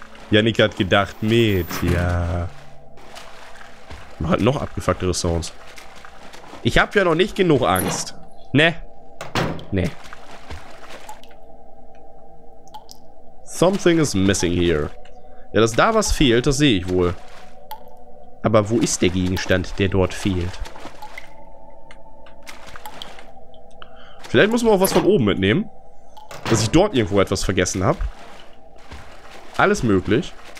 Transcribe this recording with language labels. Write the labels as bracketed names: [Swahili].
[German] Yannick hat gedacht mit, ja. Man hat noch abgefucktere Sounds. Ich hab ja noch nicht genug Angst. Ne. [English] Something is missing here. [German] Ja, dass da was fehlt, das sehe ich wohl. Aber wo ist der Gegenstand, der dort fehlt? Vielleicht muss man auch was von oben mitnehmen. Dass ich dort irgendwo etwas vergessen habe. Alles möglich.